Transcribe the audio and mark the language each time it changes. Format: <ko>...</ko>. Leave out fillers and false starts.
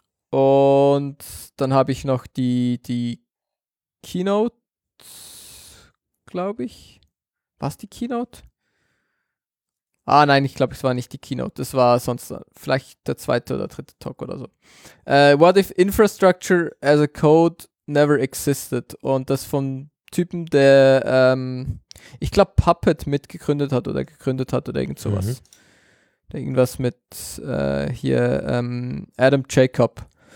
<de>Und dann habe ich noch die Keynote, glaube ich. War es die Keynote? Ah nein, ich glaube, es war nicht die Keynote. Das war sonst vielleicht der zweite oder dritte Talk oder so.</de> <en>What if infrastructure as a code never existed?</en> <de>Und das vom Typen, der ich glaube Puppet mitgegründet hat oder irgend sowas. Mhm. Der irgendwas mit Adam Jacob.</de>